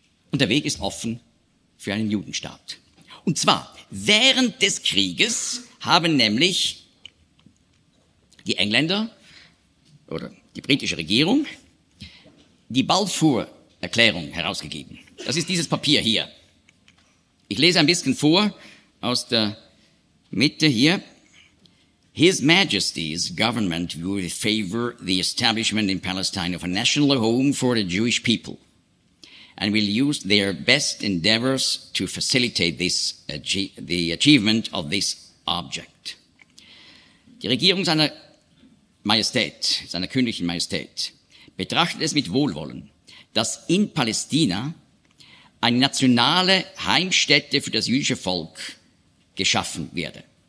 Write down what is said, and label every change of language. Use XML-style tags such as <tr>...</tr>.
<de>Und der Weg ist offen für einen Judenstaat. Und zwar während des Krieges haben nämlich die Engländer oder die britische Regierung die Balfour-Erklärung herausgegeben. Das ist dieses Papier hier. Ich lese ein bisschen vor aus der Mitte hier.</de> <en>His Majesty's government will favor the establishment in Palestine of a national home for the Jewish people and will use their best endeavors to facilitate this, the achievement of this object.</en> <de>Die Regierung seiner Majestät, seiner königlichen Majestät, betrachtet es mit Wohlwollen, dass in Palästina eine nationale Heimstätte für das jüdische Volk geschaffen werde.</de>